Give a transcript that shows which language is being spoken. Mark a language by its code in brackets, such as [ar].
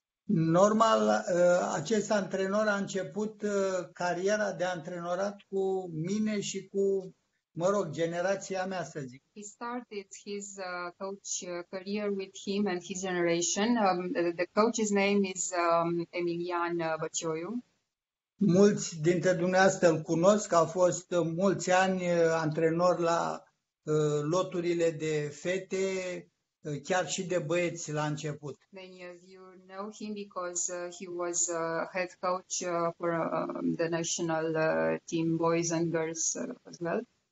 [ro] Normal, acest antrenor a început cariera de antrenorat cu mine și cu, mă rog, generația mea, să zic. [en] He started his coach career with him and his generation. The coach's name is Emilian Băcioiu. [ro] Mulți dintre dumneavoastră îl cunosc, a fost mulți ani antrenor la loturile de fete, chiar și de băieți la început. [en] Many of you know him because he was head coach for the national team boys and girls as well.